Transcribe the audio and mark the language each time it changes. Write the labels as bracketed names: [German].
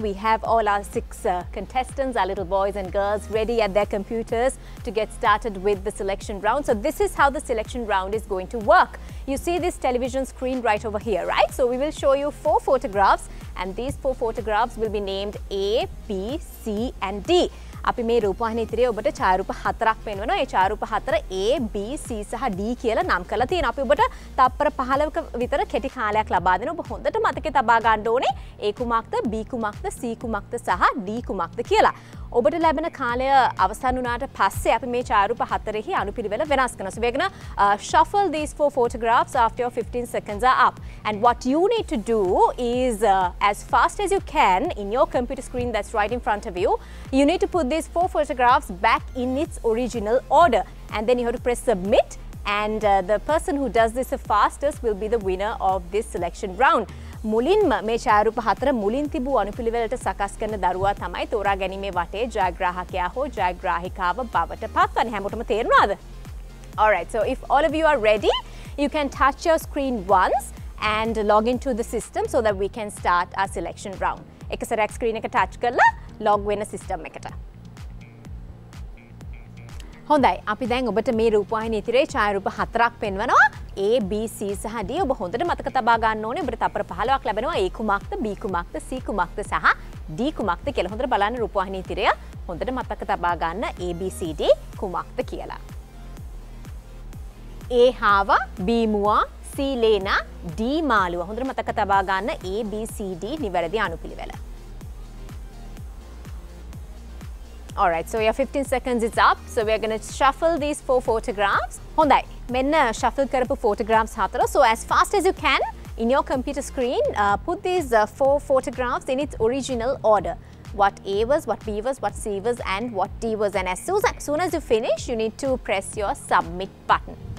[English] We have all our 6 contestants, our little boys and girls, ready at their computers to get started with the selection round. So this is how the selection round is going to work. You see this television screen right over here, right? So we will show you 4 photographs, and these 4 photographs will be named A, B, C and D. [Sinhala] අපි මේ රූපවාහිනිය ඉදිරියේ ඔබට චාරුප හතරක් පෙන්වනවා. ඒ චාරුප හතර A, B, C සහ D කියලා නම් කරලා තියෙනවා. අපි ඔබට තප්පර 15ක විතර කෙටි කාලයක් ලබා දෙනවා. ඔබ හොඳට මතකේ තබා ගන්න ඕනේ A කුමක්ද, B කුමක්ද, C කුමක්ද සහ D කුමක්ද කියලා. ඔබට ලැබෙන කාලය අවසන් වුණාට පස්සේ අපි මේ චාරුප හතරෙහි අනුපිළිවෙල වෙනස් කරනවා. [English] So we're gonna shuffle these 4 photographs after your 15 seconds are up. And what you need to do is as fast as you can in your computer screen that's right in front of you, you need to put these 4 photographs back in its original order. And then you have to press submit. And the person who does this the fastest will be the winner of this selection round. [Sinhala] මුලින්ම මේ ඡායාරූප හතර මුලින් තිබූ අනුපිළිවෙලට සකස් කරන දරුවා තමයි තෝරා ගැනීමේ වටේ ජයග්‍රාහකයා හෝ ජයග්‍රාහිකාව බවට පත්වන්නේ. හැමෝටම තේරෙනවද? [English] All right, so if all of you are ready, you can touch your screen once and log into the system so that we can start our selection round. [Sinhala] එකසරක් screen එක touch කරලා log වෙන system එකට. හොඳයි, අපි දැන් ඔබට මේ රූපවාහිනිය ඉදිරියේ ඡායාරූප හතරක් පෙන්වනවා. A, B, C සහ D ඔබ හොඳට මතක තබා ගන්න ඕනේ. ඔබට තප්පර 15ක් ලැබෙනවා. A කුමක්ද, B කුමක්ද, C කුමක්ද සහ D කුමක්ද කියලා හොඳට බලන්න රූපවාහිනී තිරය. හොඳට මතක තබා ගන්න A, B, C, D කුමක්ද කියලා. A හාව, B මුවා, C ලේනා, D මාළුව. හොඳට මතක තබා ගන්න A, B, C, D නිවැරදි අනුපිළිවෙල. [English] All right, so your 15 seconds is up. So we are going to shuffle these 4 photographs. [Sinhala] හොඳයි. මෙන්න shuffle කරපු photographs හතර. [English] So as fast as you can in your computer screen, put these 4 photographs in its original order. What A was, what B was, what C was and what D was. And as soon as you finish, you need to press your submit button.